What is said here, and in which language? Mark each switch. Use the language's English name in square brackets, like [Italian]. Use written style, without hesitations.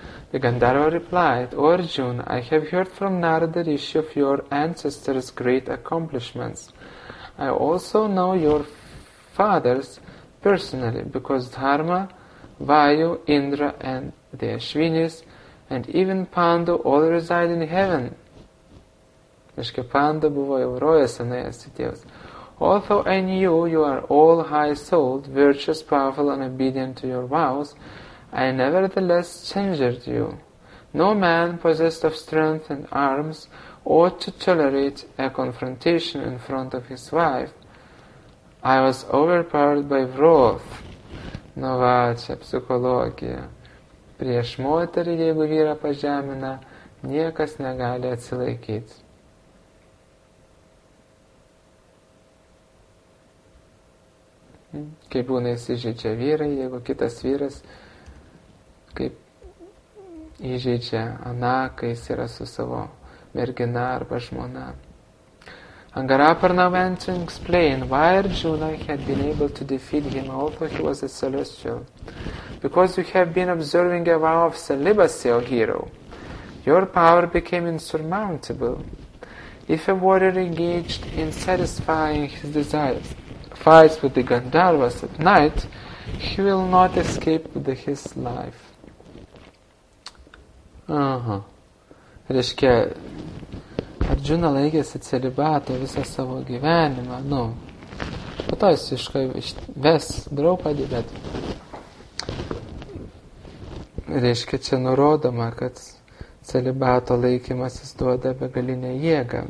[English] The Gandharva replied, "O Arjuna, I have heard from Narada Rishi of your ancestors' great accomplishments. I also know your fathers personally, because Dharma, Vayu, Indra and the Ashvinis, and even Pandu all reside in heaven." [Lithuanian] Reiškia, Pandu buvo jau rojose nuėjęs į tėvus. [English] "Although I knew you are all high-souled, virtuous, powerful and obedient to your vows, I nevertheless censured you. No man possessed of strength and arms ought to tolerate a confrontation in front of his wife. I was overpowered by wrath." [Lithuanian] Nu va, čia psichologija. Prieš moterį, jeigu vyra pažemina, niekas negali atsilaikyti. Kaip būna įsižeidžia vyrai, jeigu kitas vyras kaip įžeidžia ana, kai jis yra su savo mergina arba žmona. [English] Angaraparna went to explain why Arjuna had been able to defeat him, although he was a celestial. "Because you have been observing a vow of celibacy, O hero, your power became insurmountable. If a warrior engaged in satisfying his desires fights with the Gandharvas at night, he will not escape with his life." [Lithuanian] Reiškia, Arjuna laikėsi celibato visą savo gyvenimą, nu, po to jis ves Draupadį, bet reiškia, čia nurodoma, kad celibato laikymas jis duoda begalinę jėgą.